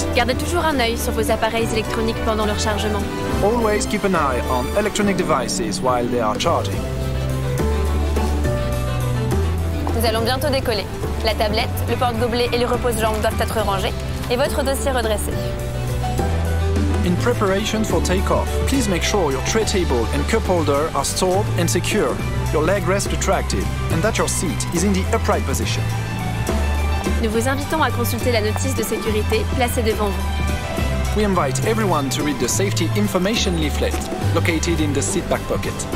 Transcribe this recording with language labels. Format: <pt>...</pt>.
<fr>Gardez toujours un œil sur vos appareils électroniques pendant leur chargement.</fr> <en>Always keep an eye on electronic devices while they are charging.</en> <fr>Nous allons bientôt décoller. La tablette, le porte-gobelet et le repose-jambe doivent être rangés et votre dossier redressé.</fr> <en>In preparation for takeoff, please make sure your tray table and cup holder are stored and secure, your leg rest retracted, and that your seat is in the upright position.</en> <fr>Nous vous invitons à consulter la notice de sécurité placée devant vous.</fr> <en>We invite everyone to read the safety information leaflet located in the seat back pocket.</en>